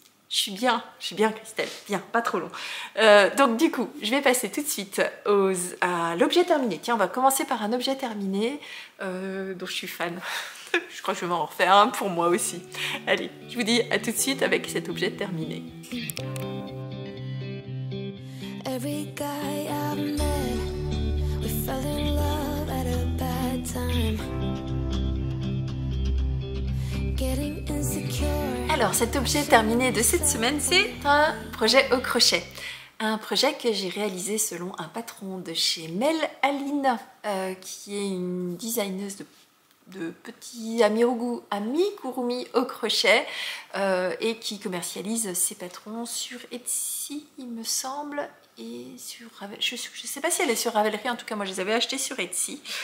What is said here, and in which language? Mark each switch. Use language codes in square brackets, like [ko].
[fr] Je suis bien Christelle, bien, pas trop long. Donc du coup, je vais passer tout de suite à l'objet terminé. Tiens, on va commencer par un objet terminé dont je suis fan. Je crois que je vais m'en refaire un pour moi aussi. Allez, je vous dis à tout de suite avec cet objet terminé. [en] Every guy I've met, we fell in love at a bad time. Getting insecure. [fr] Alors, cet objet terminé de cette semaine, c'est un projet au crochet. Un projet que j'ai réalisé selon un patron de chez Mel Aline, qui est une designeuse de petits amigurumi au crochet et qui commercialise ses patrons sur Etsy, il me semble, et sur Ravelry. Je ne sais pas si elle est sur Ravelry, en tout cas, moi je les avais achetés sur Etsy.